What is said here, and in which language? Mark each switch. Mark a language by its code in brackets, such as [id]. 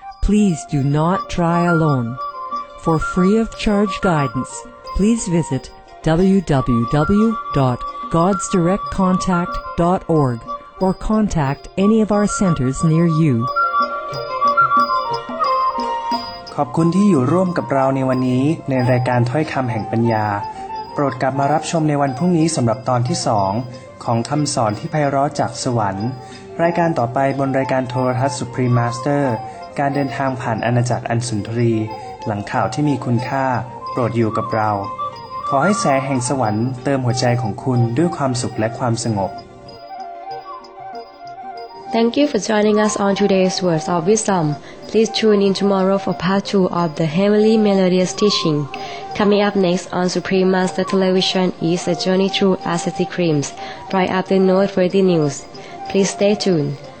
[en] Please do not try alone. For free of charge guidance, please visit www.godsdirectcontact.org or contact any of our centers near you. [th] ขอบคุณที่อยู่ร่วมกับเราในวันนี้ในรายการถ้อยคำแห่งปัญญาโปรดกลับมารับชมในวันพรุ่งนี้สำหรับตอนที่2ของคำสอนที่ไพเราะจากสวรรค์รายการต่อไปบนรายการโทรทัศน์ Supreme Master การเดินทางผ่านอาณาจักรอันสุนทรีหลังข่าวที่มีคุณค่าโปรดอยู่กับเราขอให้แสงแห่งสวรรค์เติมหัวใจของคุณด้วยความสุขและความสงบ [en] Thank you for joining us on today's words of wisdom. Please tune in tomorrow for part 2 of the Heavenly Melodious Teaching. Coming up next on Supreme Master Television is A Journey Through Ascetic Dreams, right after noteworthy news. Please stay tuned.